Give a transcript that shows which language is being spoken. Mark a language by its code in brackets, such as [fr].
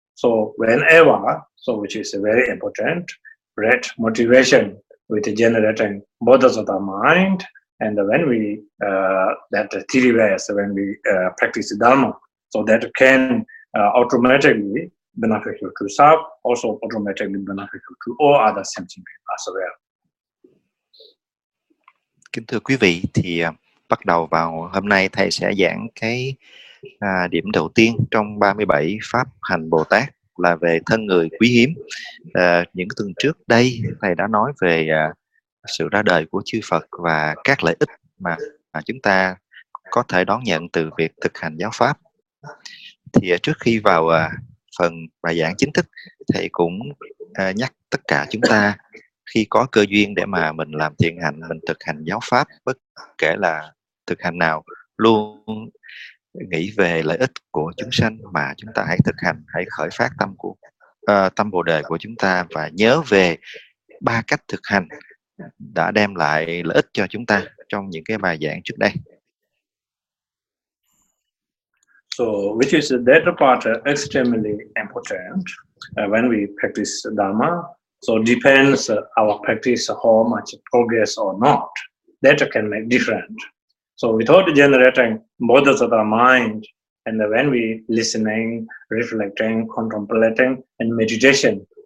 [en] So whenever, so which is very important, great motivation with generating bodhisattva mind. And when we that theory base, when we practice Dharma, so that can automatically beneficial to self, also automatically beneficial to all other sentient beings as well. [vi] Kính thưa quý vị, thì bắt đầu vào hôm nay thầy sẽ giảng cái điểm đầu tiên trong 37 pháp hành Bồ Tát là về thân người quý hiếm. Những tuần trước đây thầy đã nói về sự ra đời của chư Phật và các lợi ích mà chúng ta có thể đón nhận từ việc thực hành giáo pháp. Thì trước khi vào phần bài giảng chính thức, thầy cũng nhắc tất cả chúng ta khi có cơ duyên để mà mình làm thiền hành, mình thực hành giáo pháp, bất kể là thực hành nào, luôn nghĩ về lợi ích của chúng sanh mà chúng ta hãy thực hành, hãy khởi phát tâm của tâm Bồ Đề của chúng ta và nhớ về ba cách thực hành đã đem lại lợi ích cho chúng ta trong những cái bài giảng trước đây. [en] So, which is that part extremely important when we practice Dharma. So, depends our practice how much progress or not. That can make different. So, without generating bodhisattva mind, and when we listening, reflecting, contemplating, and meditation.